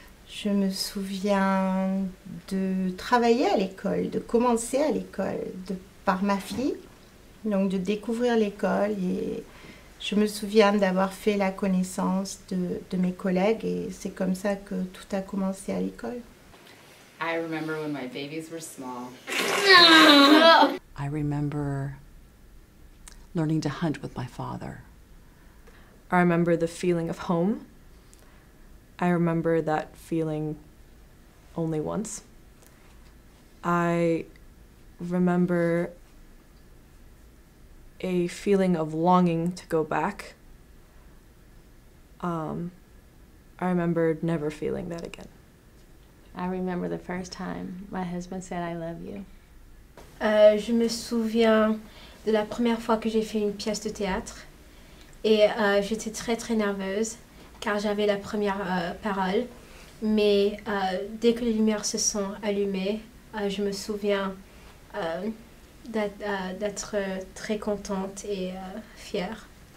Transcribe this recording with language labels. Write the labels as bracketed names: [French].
[French] Je me souviens de travailler à l'école, de commencer à l'école par ma fille. Donc de découvrir l'école et je me souviens d'avoir fait la connaissance de mes collègues et c'est comme ça que tout a commencé à l'école. [English] I remember when my babies were small. I remember learning to hunt with my father. I remember the feeling of home. I remember that feeling only once. I remember a feeling of longing to go back. I remember never feeling that again. I remember the first time my husband said I love you. [French] Je me souviens de la première fois que j'ai fait une pièce de théâtre et j'étais très très nerveuse car j'avais la première parole, mais dès que les lumières se sont allumées, je me souviens d'être très contente et fière.